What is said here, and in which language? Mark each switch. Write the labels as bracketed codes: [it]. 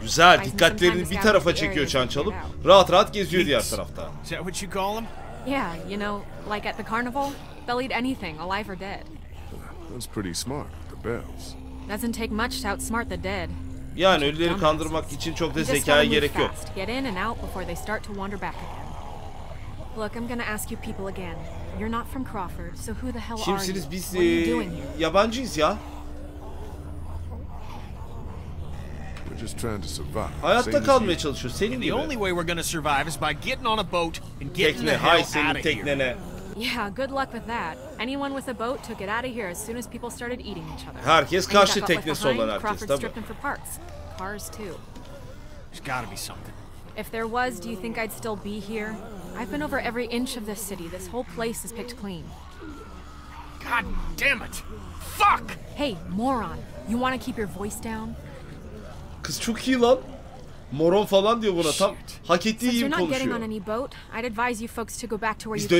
[tr] Güzel, dikkatlerini bir tarafa çekiyor çan çalıp, rahat rahat geziyor diğer tarafta. [en] Is that what you call them? Yeah, you know, like at the carnival, they'll eat anything, alive or dead. That's pretty smart, the bells. Doesn't take much to outsmart the dead. [tr] Yani ölüleri kandırmak için çok da zekaya gerek yok. [en] Get in and out before they start to wander back again. Look, I'm gonna ask you people again. You're not from Crawford, so who the hell are you? [tr] Biz, [en] what are you doing here? [tr] Yabancıyız ya. [en] We're just trying to survive. [tr] Hayatta kalmaya çalışıyoruz. Senin gibi. [en] The only way we're gonna survive is by getting on a boat and getting the hell out of here. [tr] Teknene. [en] Yeah, good luck with that. Anyone with a boat took it out of here as soon as people started eating each other. [tr] Herkes karşı teknesi olan herkes, tabii. [en] Cars too. There's got to be something. If there was, do you think I'd still be here? I've been over every inch of this city. This whole place is picked clean. God damn it. Fuck. Hey, moron. You want to keep your voice down? [tr] Kız çok iyi lan. Moron falan diyor buna, tam hak ettiği gibi konuşuyor. [en] Since you're not getting on any boat, I'd advise you folks to go back to where